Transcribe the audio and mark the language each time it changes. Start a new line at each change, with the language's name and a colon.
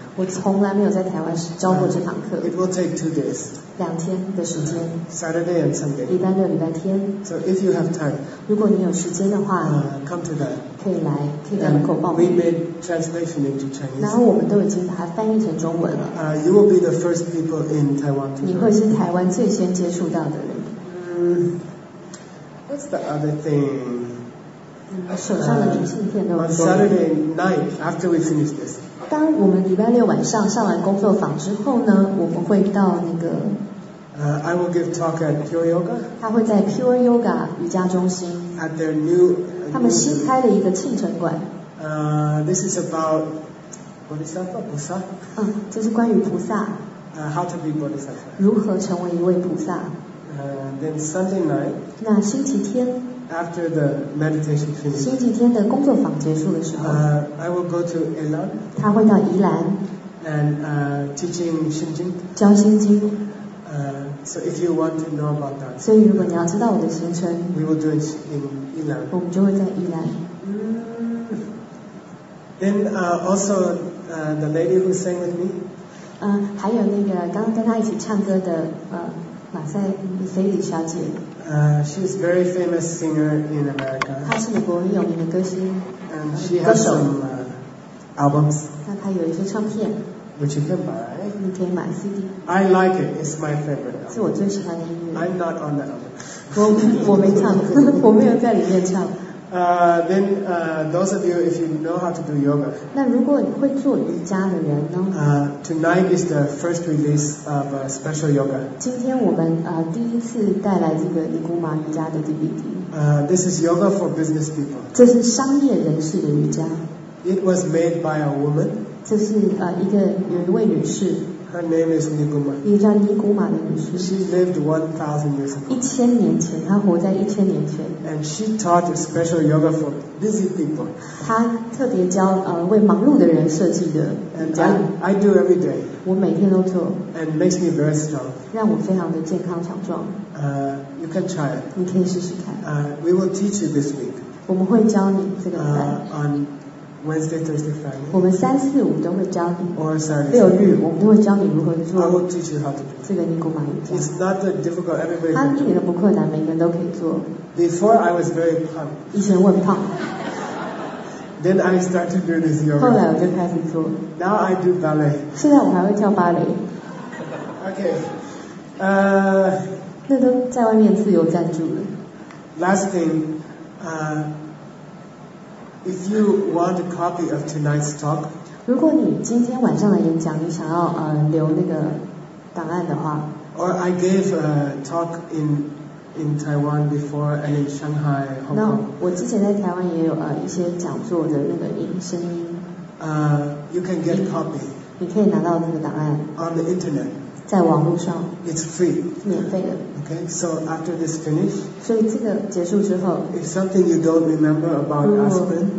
Chinese: 我从来没有在台湾教过这堂课。
English: It will take 2 days.
Chinese: 两天的时间。
English: Saturday and Sunday.
Chinese: 礼拜六、礼拜天。
English: So if you have time.
Chinese: 如果你有时间的话。
English: Come to that.
Chinese: 可以来，可以跟口报名。
English: We made translation into Chinese.
Chinese: 然后我们都已经把它翻译成中文了。
English: You will be the first people in Taiwan.
Chinese: 你会是台湾最先接触到的人。
English: What's the other thing?
Chinese: 手上的明信片都有。
English: On Saturday night, after we finish this.
Chinese: 当我们礼拜六晚上上完工作坊之后呢，我们会到那个。
English: I will give talk at Pure Yoga.
Chinese: 他会在 Pure Yoga 瑜伽中心。
English: At their new.
Chinese: 他们新开了一个庆城馆。
English: This is about Bodhisattva, 菩萨。
Chinese: 这是关于菩萨。
English: How to be Bodhisattva.
Chinese: 如何成为一位菩萨。
English: Then Sunday night.
Chinese: 那星期天。
English: After the meditation finishes,
Chinese: 星期天的工作坊结束的时候
English: I will go to Elan.
Chinese: 他会到宜兰
English: And teaching 心经
Chinese: 教心经
English: So if you want to know about that,
Chinese: 所以如果你要知道我的行程
English: We will do it in 宜兰
Chinese: 我们就会在宜兰
English: Then also the lady who sang with me.
Chinese: 还有那个刚刚跟他一起唱歌的马赛菲里小姐。
English: She is a very famous singer in America.
Chinese: 她是美国很有名的歌星。
English: And she has some albums.
Chinese: 那她有一些唱片。
English: Which you can buy.
Chinese: 你可以买 CD.
English: I like it. It's my favorite album.
Chinese: 是我最喜欢的音乐。
English: I'm not on that album.
Chinese: 我没唱，我没有在里面唱。
English: Those of you, if you know how to do yoga,
Chinese: 那如果你会做瑜伽的人呢？
English: Tonight is the first release of a special yoga.
Chinese: 今天我们第一次带来这个尼姑妈瑜伽的 DVD.
English: This is yoga for business people.
Chinese: 这是商业人士的瑜伽。
English: It was made by a woman.
Chinese: 这是有一位女士。
English: Her name is 尼姑妈。
Chinese: 一个叫尼姑妈的女士。
English: She lived 1,000 years ago. 1,000 years ago,
Chinese: 她活在
English: 1,000 years ago. And she taught a special yoga for busy people.
Chinese: 她特别教为忙碌的人设计的。
English: And I do every day.
Chinese: 我每天都做。
English: And makes me very strong.
Chinese: 让我非常的健康强壮。
English: You can try it.
Chinese: 你可以试试看。
English: We will teach you this week.
Chinese: 我们会教你这个礼拜。
English: Wednesday, Thursday, Friday.
Chinese: 我们三四五都会教你。
English: Or Saturday.
Chinese: 六日我们都会教你如何做。
English: I will teach you how to do.
Chinese: 这个尼姑妈瑜伽。
English: It's not that difficult. Everybody.
Chinese: 它一点都不困难，每个人都可以做。
English: Before I was very pump.
Chinese: 以前我很胖。
English: Then I started to do this yoga.
Chinese: 后来我就开始做。
English: Now I do ballet.
Chinese: 现在我还会跳芭蕾。
English: Okay.
Chinese: 那都在外面自由赞助了。
English: Last thing, If you want a copy of tonight's talk,
Chinese: 如果你今天晚上的演讲，你想要留那个档案的话
English: ，or I gave a talk in in Taiwan before and in Shanghai, Hong Kong.
Chinese: 那我之前在台湾也有一些讲座的那个音声音。
English: You can get copy.
Chinese: 你可以拿到那个档案。
English: On the internet.
Chinese: 在网络上。
English: It's free.
Chinese: 免费的。
English: Okay, so after this finish.
Chinese: 所以这个结束之后。
English: If something you don't remember about aspirin.